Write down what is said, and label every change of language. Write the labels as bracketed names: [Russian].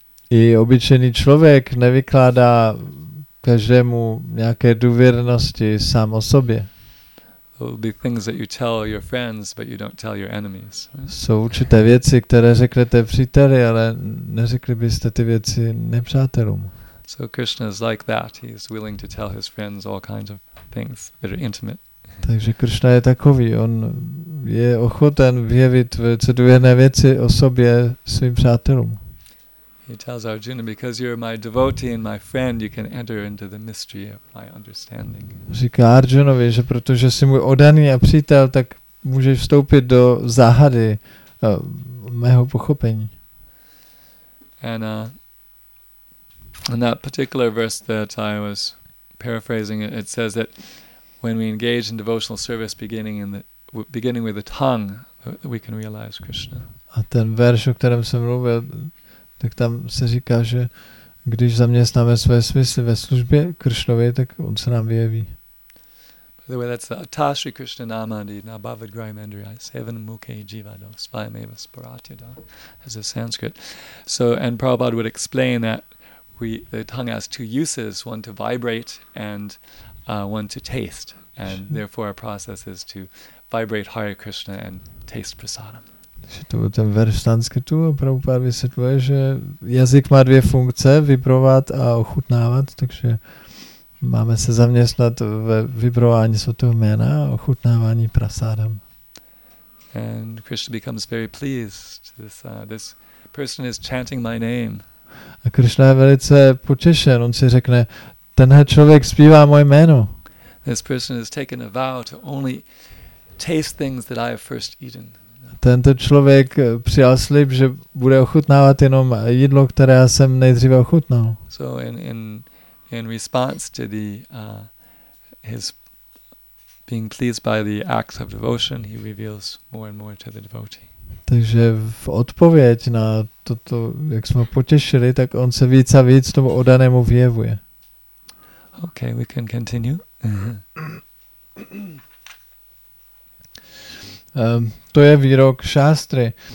[Czech] I obyčejný člověk nevykládá každému nějaké důvěrnosti sám o sobě. [English] Be things that you tell your friends, but you don't tell your enemies. [Czech] Jsou určité věci, které řeknete příteli, ale neřekli byste ty věci nepřátelům. [English] So Krishna is like that. He is willing to tell his friends all kinds of things that are intimate. [Czech] Takže Krishna je takový. On je ochoten vyjevit velice důvěrné věci o sobě svým přátelům. [English] He tells Arjuna, because you're my devotee and my friend, you can enter into the mystery of my understanding. [Czech] Říká Arjunovi, že protože jsi můj oddaný a přítel, tak můžeš vstoupit do záhady mého pochopení. [English] And that particular verse that I was paraphrasing, it says that when we engage in devotional service beginning with the tongue, we can realize Krishna. [Czech] A ten verš, o kterém jsem mluvil, tak tam se říká, že když zaměstnáme své smysly ve službě Kršnovi, tak on se nám vyjeví. [English] By the way, that's the [Sanskrit] Atashri Krishna Namadi Nabhavad Graimendriya Sevan Mukhe Jivado Svayameva Sparatyada [English] as a Sanskrit. So, and Prabhupada would explain that the tongue has two uses, one to vibrate and one to taste. And therefore our process is to vibrate Hare Krishna and taste prasadam. [Czech] Takže to byl ten verš sanskritu a Prabhupada vysvětluje, že jazyk má dvě funkce, vibrovat a ochutnávat, takže máme se zaměstnat ve vibrování svatého jména a ochutnávání prasádam. [English] And Krishna becomes very pleased. This person is chanting my name. [Czech] A Krishna je velice potěšen, on si řekne, tenhle člověk zpívá moje jméno. [English] This person has taken a vow to only taste things that I have first eaten. [Czech] Tento člověk přijal slib, že bude ochutnávat jenom jídlo, které já jsem nejdříve ochutnal. [English] So in response to the his being pleased by the acts of devotion, he reveals more and more to the devotee. [Czech] Takže v odpověď na toto, jak jsme potěšili, tak on se víc a víc tomu oddanému vyjevuje. [English] Okay, we can continue. [Czech] To je výrok Šástry.